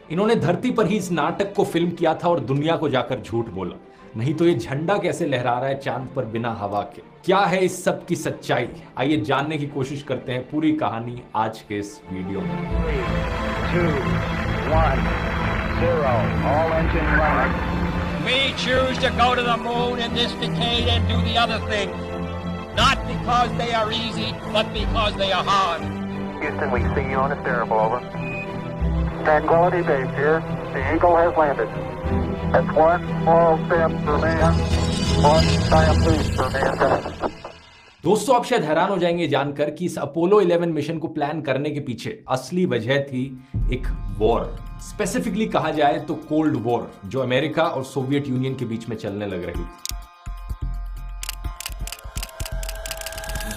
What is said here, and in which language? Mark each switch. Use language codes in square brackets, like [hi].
[hi] इन्होंने धरती पर ही इस नाटक को फिल्म किया था और दुनिया को जाकर झूठ बोला, नहीं तो ये झंडा कैसे लहरा रहा है चांद पर बिना हवा के। क्या है इस सब की सच्चाई? आइए जानने की कोशिश करते हैं पूरी कहानी आज के इस वीडियो में। [en] 3, 2, 1, 0, all engine running. We choose to go to the moon in this decade and do the other thing. Not because they are easy, but because they are hard. Houston, we see you on a steerable, over. Tranquility Base here. The Eagle has landed. That's one small step for man, one giant leap for mankind. [hi] दोस्तों आप शायद हैरान हो जाएंगे जानकर कि इस Apollo 11 mission को प्लान करने के पीछे असली वजह थी एक वॉर। स्पेसिफिकली कहा जाए तो कोल्ड वॉर जो अमेरिका और सोवियत यूनियन के बीच में चलने लग रही थी।